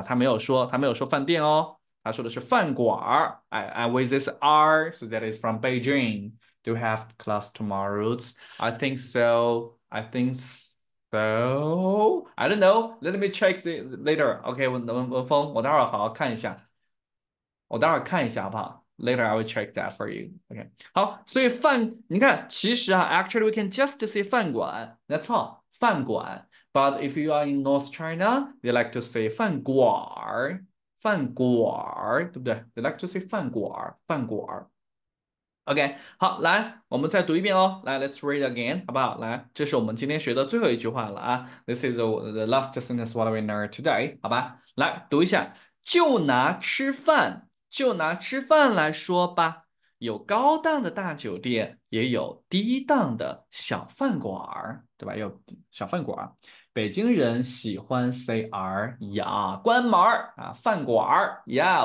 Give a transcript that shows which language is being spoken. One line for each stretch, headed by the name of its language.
Chinese: 他没有说饭店哦，他说的是饭馆儿。
English: And with this R, so that is from Beijing. Do you have class tomorrow? I think so. I don't know. Let me check this later. OK，文峰，
Chinese: 我待会儿看一下好不好？
English: Later, I will check that for you. Okay.
Chinese: 好，所以你看，其实啊，
English: actually, we can just say 饭馆。 That's all, 饭馆。But if you are in North China, they like to say 饭馆儿，饭馆儿，
Chinese: 对不对？
English: They like to say 饭馆儿，饭馆儿。Okay.
Chinese: 好，来，我们再读一遍哦。来，
English: Let's read again，
Chinese: 好不好？来，这是我们今天学的最后一句话了啊。
English: This is the last sentence what we learned today，
Chinese: 好吧？来，读一下，就拿吃饭来说吧，有高档的大酒店，也有低档的小饭馆儿，对吧？有小饭馆儿。北京人喜欢
English: say R
Chinese: 呀，关门儿啊，饭馆儿呀。